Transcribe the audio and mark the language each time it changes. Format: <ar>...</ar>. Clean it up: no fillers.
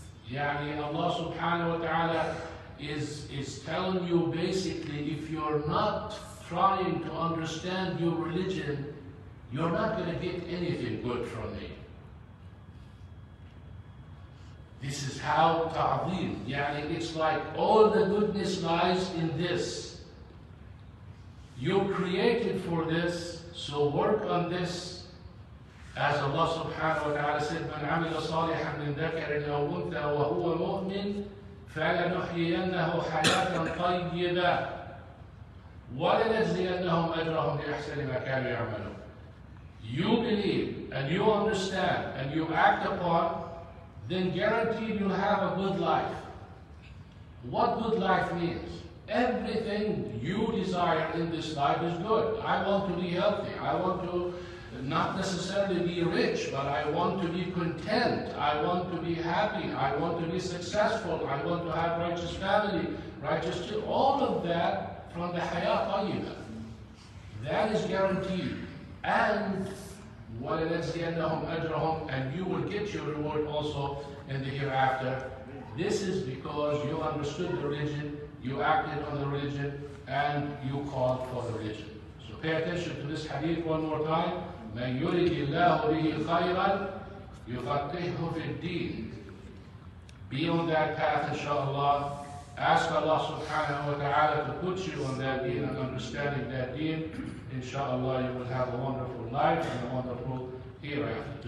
<en>Yani Allah subhanahu wa ta'ala is telling you basically, if you're not trying to understand your religion, you're not going to get anything good from me. This is how ta'zim. Yani it's like all the goodness lies in this. You're created for this, so work on this. As Allah subhanahu wa ta'ala said,</en> <ar>مَنْ عَمِلَ صَالِحًا مِنْ ذَكَرٍ أَوْ أُنْثَى وَهُوَ مُؤْمِنٌ فَلَنُحْيِيَنَّهُ حَيَاةً طَيِّبَةً وَلَنَجْزِيَنَّهُمْ أَجْرَهُمْ بِأَحْسَنِ مَا كَانُوا يَعْمَلُونَ.</ar> <en>You believe and you understand and you act upon, then guaranteed you have a good life. What good life means? Everything you desire in this life is good. I want to be healthy. I want to not necessarily be rich, but I want to be content. I want to be happy. I want to be successful. I want to have righteous family, righteous children. All of that from the hayat tayyiba. That is guaranteed. And</en> <ar>وَلَنَجْزِيَنَّهُمْ أَجْرَهُمْ,</ar> <en>and you will get your reward also in the hereafter. This is because you understood the religion, you acted on the religion, and you called for the religion. So pay attention to this hadith one more time.</en> <ar>مَنْ يُرِدِ اللَّهُ بِهِ خَيْرًا يُفَقِّهُ فِي الدِّينِ.</ar> <en>Be on that path, inshallah, Ask Allah subhanahu wa ta'ala to put you on that deen and understanding that deen. Inshallah, you will have a wonderful life and a wonderful hereafter.</en>